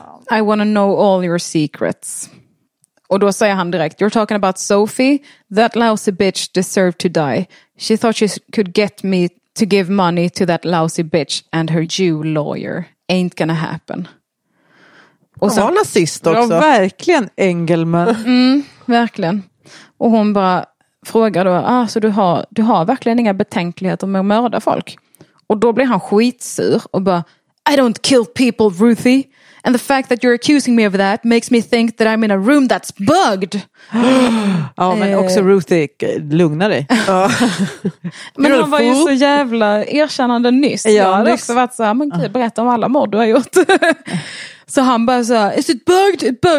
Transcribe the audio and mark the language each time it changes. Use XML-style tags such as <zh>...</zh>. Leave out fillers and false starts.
<en>I want to know all your secrets.</en> <sv>Och då säger han direkt,</sv> <en>you're talking about Sophie? That lousy bitch deserved to die. She thought she could get me to give money to that lousy bitch and her Jew lawyer. Ain't gonna happen.</en> <sv>Och så, hon var nazist också. Ja, verkligen Engelman. Mm, verkligen. Och hon bara frågar då, så du har verkligen inga betänkligheter med att mörda folk? Och då blir han skitsur och bara,</sv> <en>I don't kill people, Ruthie. And the fact that you're accusing me of that makes me think that I'm in a room that's bugged.</en> <sv>Ja, men också Ruthie, lugna dig. Men hon var ju så jävla erkännande nyss. Ja, jag hade också varit så här, men gud, berätta om alla mord du har gjort. Så han bara så här,</sv> <en>is it bugged?</en>